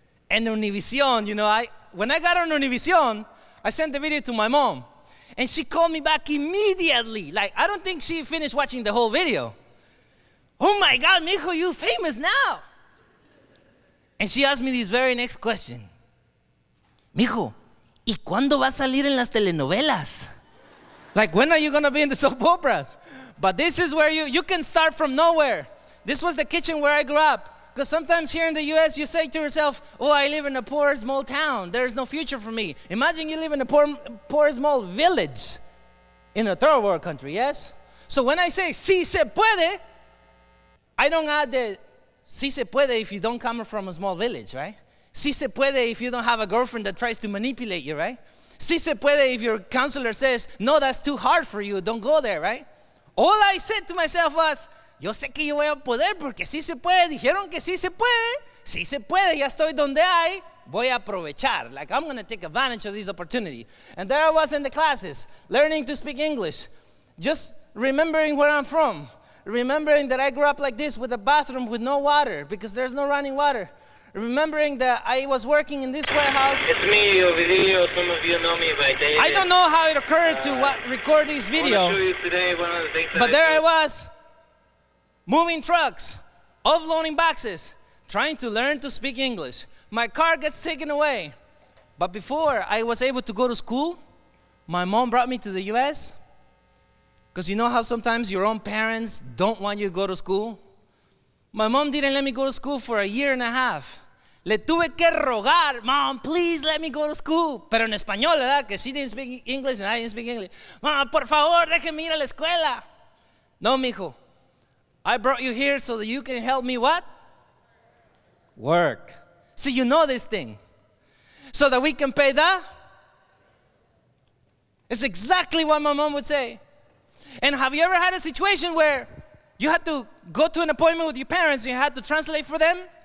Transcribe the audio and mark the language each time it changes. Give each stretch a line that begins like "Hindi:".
English: And Univision, you know, when I got on Univision, I sent the video to my mom. And she called me back immediately. Like, I don't think she finished watching the whole video. Oh my God, mijo, you famous now. And she asked me this very next question.
Spanish: Mijo, ¿y cuándo va a salir en las telenovelas?
English: Like, when are you going to be in the soap operas? But this is where you can start from nowhere. This was the kitchen where I grew up. Because sometimes here in the U.S., you say to yourself, oh, I live in a poor, small town. There is no future for me. Imagine you live in a poor, small village in a third world country, yes? So when I say,
Spanish: si se puede,
English: I don't add the si se puede if you don't come from a small village, right?
Spanish: Si se puede
English: if you don't have a girlfriend that tries to manipulate you, right?
Spanish: Si se puede
English: if your counselor says, no, that's too hard for you, don't go there, right? All I said to myself was,
Spanish: yo sé que yo voy a poder porque si se puede. Dijeron que si se puede. Si se puede, ya estoy donde hay. Voy a aprovechar.
English: Like, I'm going to take advantage of this opportunity. And there I was in the classes, learning to speak English, just remembering where I'm from, remembering that I grew up like this with a bathroom with no water because there's no running water, remembering that I was working in this warehouse. It's me, Ovidilio. Some of you know me by name. I don't know how it occurred to record this video. I'm going to show you today one of the things that but I there do. I was, moving trucks, offloading boxes, trying to learn to speak English. My car gets taken away. But before I was able to go to school, my mom brought me to the US. Because you know how sometimes your own parents don't want you to go to school? My mom didn't let me go to school for a year and a half.
Spanish: Le tuve que rogar,
English: mom, please let me go to school.
Spanish: Pero en español, ¿verdad?
English: Que she didn't speak English and I didn't speak English.
Spanish: Mom, por favor, déjeme ir a la escuela. No, mijo.
English: I brought you here so that you can help me what? Work. See, you know this thing. So that we can pay that? It's exactly what my mom would say. And have you ever had a situation where you had to go to an appointment with your parents and you had to translate for them?